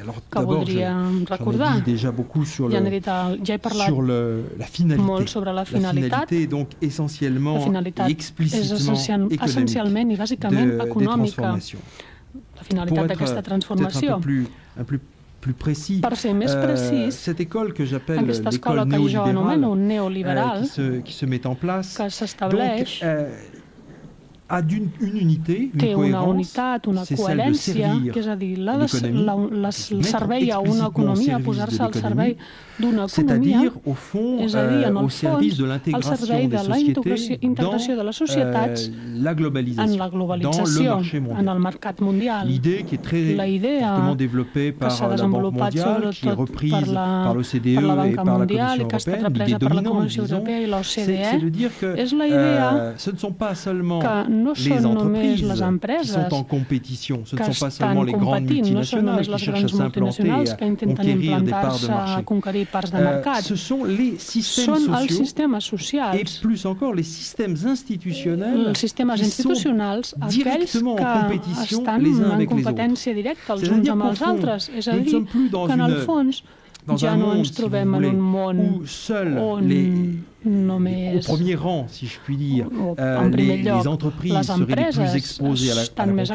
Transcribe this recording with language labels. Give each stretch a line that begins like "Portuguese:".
French: Alors d'abord, j'en ai dit déjà beaucoup sur la finalité donc essentiellement et explicitement économique de transformation. Pour être un peu plus plus précis.
Catalan: Per ser més precís,
French: cette école que j'appelle l'école néolibérale, qui se met en place,
Catalan: que s'estableix,
French: a d'une unité,
Catalan: té
French: une cohérence,
Catalan: una unitat, una coherència, que és a dir, la servei a una economia, posar-se al servei d'una economia, és a dir, en el fons, al servei de la integració de les societats la en la globalització, en el mercat mundial. L'idea que s'ha desenvolupat sobretot qui per la Banca Mundial i que ha estat represa per la Comissió Europea i l'OCDE, és la idea que no les són només les empreses qui estan en competició, no són només les grans multinacionals que intenten implantar-se a conquerir parts de mercat. Són els sistemes socials i,
French: plus encore,
Catalan: les sistemes institucionals, els sistemes institucionals, aquells que estan en competència directa els uns amb els altres. És a dir, que en el fons ja no ens trobem en un món on
French: au premier rang, si je puis dire, les entreprises seraient les plus exposées à la